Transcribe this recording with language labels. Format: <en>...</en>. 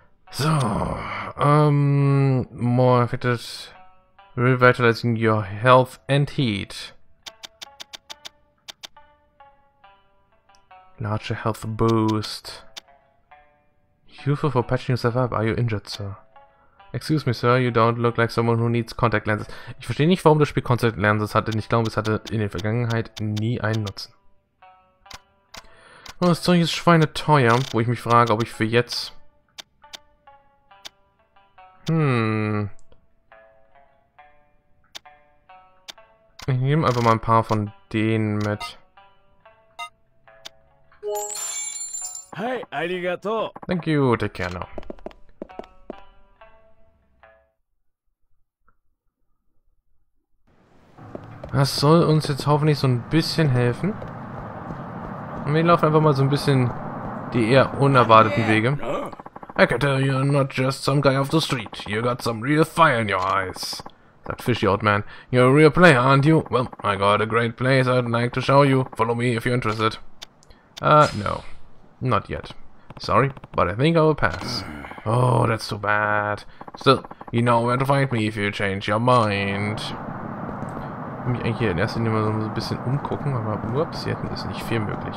<en>So, more affected, revitalizing your health and heat. Larger health boost. Useful for patching yourself up. Are you injured, sir? Excuse me, sir, you don't look like someone who needs contact lenses.</en> <de>Ich verstehe nicht, warum das Spiel Contact Lenses hatte. Ich glaube, es hatte in der Vergangenheit nie einen Nutzen. Oh, das Zeug ist schweineteuer, wo ich mich frage, ob ich für jetzt... Ich nehme einfach mal ein paar von denen mit.</de> <en>Hi, arigato. Thank you, take care now.</en> <de>Das soll uns jetzt hoffentlich so ein bisschen helfen. Und wir laufen einfach mal so ein bisschen die eher unerwarteten Wege.</de> <en>I can tell you're not just some guy off the street. You got some real fire in your eyes. That fishy old man. You're a real player, aren't you? Well, I got a great place I'd like to show you. Follow me if you're interested. No. Not yet. Sorry, but I think I will pass. Oh, that's too bad. Still, you know where to find me if you change your mind.</en> <de>Ich will mich eigentlich hier in erster Linie mal so ein bisschen umgucken, aber ups, hier hinten ist nicht viel möglich.</de>